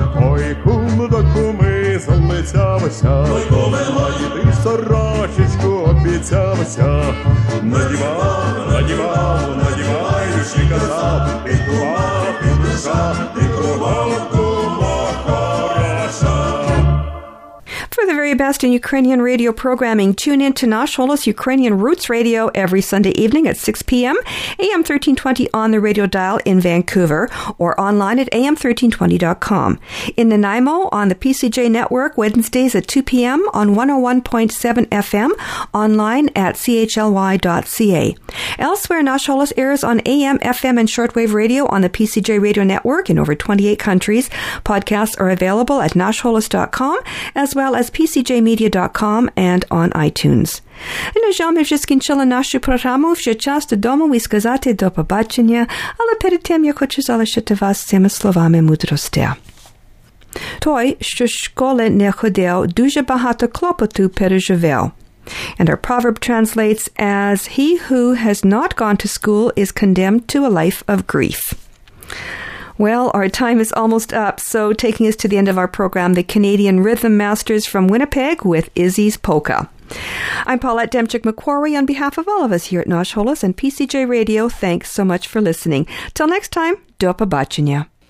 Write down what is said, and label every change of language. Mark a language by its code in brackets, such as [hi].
[uk] Ой, кум до куми залицявся. Ой, куми мої, ти сорочечку обіцявся. Надівав, надіваючи казав: ти кума, ти душа, ти кумом кума хороша. [en] For the very best in Ukrainian radio programming, tune in to Nash Holos Ukrainian Roots Radio every Sunday evening at 6 p.m. AM 1320 on the radio dial in Vancouver or online at am1320.com. In Nanaimo on the PCJ Network, Wednesdays at 2 p.m. on 101.7 FM, online at chly.ca. Elsewhere, Nash Holos airs on AM, FM, and shortwave radio on the PCJ Radio Network in over 28 countries. Podcasts are available at nashholos.com as well as pcjmedia.com and on iTunes. [uk] Нажами вже скінчила нашу програму. Вже час додому і сказати до побачення. Але перед тим я хочу залишити вас цими словами мудрості. Той, що школи не ходив, дуже багато клопоту переживав. [en] And our proverb translates as, he who has not gone to school is condemned to a life of grief. Well, our time is almost up, so taking us to the end of our program, the Canadian Rhythm Masters from Winnipeg with Izzy's Polka. I'm Paulette Demchik-McQuarrie. On behalf of all of us here at Nash Holos and PCJ Radio, thanks so much for listening. Till next time, [uk] до побачення.